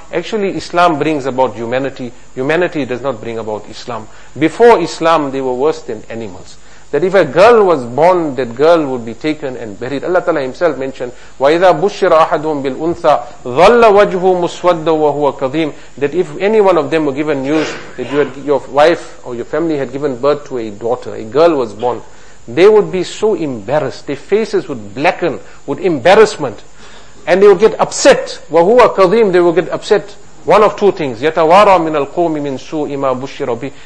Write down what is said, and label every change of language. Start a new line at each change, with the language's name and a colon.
English: Actually Islam brings about humanity. Humanity does not bring about Islam. Before Islam they were worse than animals. That if a girl was born, that girl would be taken and buried. Allah Ta'ala himself mentioned,
Arabic: وَإِذَا بُشِّرَ أَحَدُهُمْ بِالْأُنْثَى ظَلَّ وَجْهُ مُسْوَدَّ وَهُوَ كَظِيمٌ.
English: That if any one of them were given news that you had, your wife or your family had given birth to a daughter, a girl was born, they would be so embarrassed, their faces would blacken with embarrassment, and they would get upset.
Arabic: وَهُوَ كَظِيمٌ.
English: They would get upset. One of two things.
Arabic: يَتَوَارَى مِنَ الْقَوْمِ مِنْ سُوءِ مَا بُشِّرَ بِهِ.